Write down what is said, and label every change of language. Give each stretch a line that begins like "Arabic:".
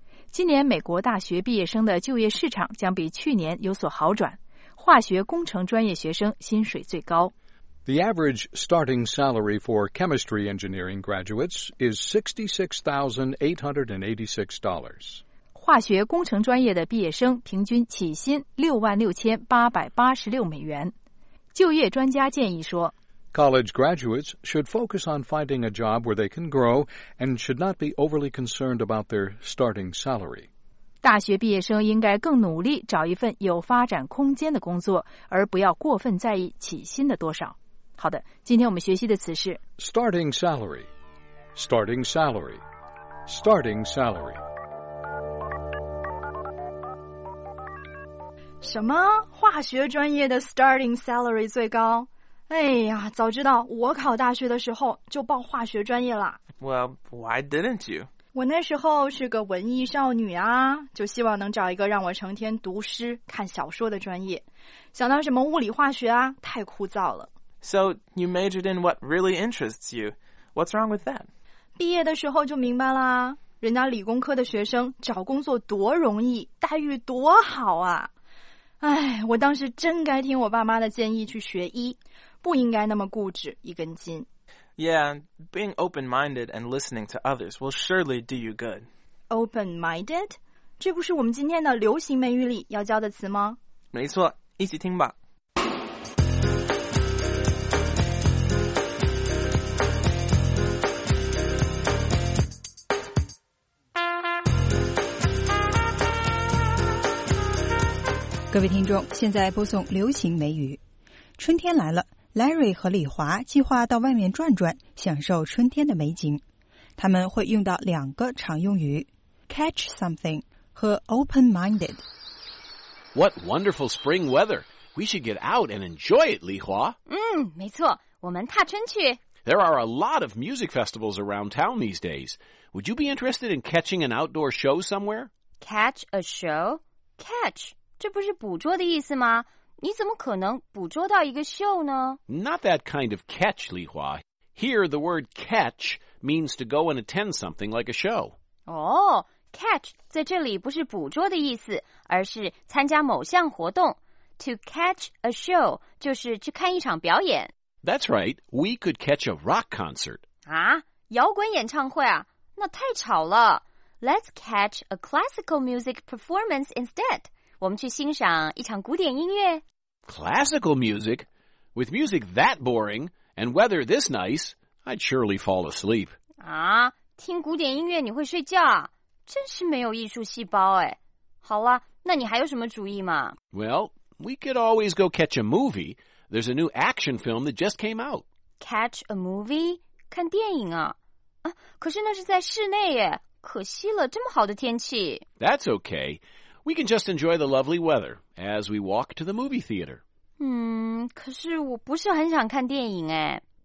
Chinese: 今年美国大学毕业生的就业市场将比去年有所好转，化学工程专业学生薪水最高。
English: The average starting salary for chemistry engineering graduates is $66,886.
Chinese: 化学工程专业的毕业生平均起薪$66,886。就业专家建议说，
English: College graduates should focus on finding a job where they can grow and should not be overly concerned about their starting salary.
Chinese: 大学毕业生应该更努力找一份有发展空间的工作，而不要过分在意起薪的多少。好的，今天我们学习的词是
English: starting salary, starting salary, starting salary.
Chinese: 什么？化学专业的
English: starting salary
Chinese: 最高？哎呀，早知道我考大学的时候就报化学专业了。
English: Well, why didn't you?
Chinese: 我那时候是个文艺少女啊，就希望能找一个让我成天读诗看小说的专业。想到什么物理化学啊，太枯燥了。
English: So, you majored in what really interests you. What's wrong with that?
Chinese: 毕业的时候就明白啦，人家理工科的学生找工作多容易，待遇多好啊。哎，我当时真该听我爸妈的建议去学医，不应该那么固执一根筋。
English: Yeah, being open-minded and listening to others will surely do you good. Open-minded?
Chinese: 这不是我们今天的流行美语里要教的词吗？没错，一起听吧。各位听众，现在播送流行美语。春天来了，Larry 和李华计划到外面转转，享受春天的美景。他们会用到两个常用语 catch something 和 open-minded。
English: What wonderful spring weather! We should get out and enjoy it, 李华。
Chinese: 没错，我们踏春去。
English: There are a lot of music festivals around town these days. Would you be interested in catching an outdoor show somewhere? Catch a show? Catch,
Chinese: 这不是捕捉的意思吗？你怎么可能捕捉到一个秀呢？
English: Not that kind of catch, 李华. Here, the word catch means to go and attend something like a show.
Chinese: Oh, catch 在这里不是捕捉的意思，而是参加某项活动。
English: To catch a show
Chinese: 就是去看一场表演。
English: That's right. We could catch a rock concert.
Chinese: 啊，摇滚演唱会啊？那太吵了。
English: Let's catch a classical music performance instead.
Chinese: 我们去欣赏一场古典音乐。
English: Classical music? With music that boring, and weather this nice, I'd surely fall asleep.
Chinese: 啊，听古典音乐你会睡觉啊？真是没有艺术细胞哎。好了，那你还有什么主意吗？
English: Well, we could always go catch a movie. There's a new action film that just came out. Catch a movie?
Chinese: 看电影啊？啊，可是那是在室内耶，可惜了，这么好的天气。
English: That's okay. We can just enjoy the lovely weather as we walk to the movie theater.
Chinese: 可是我不是很想看电影哎。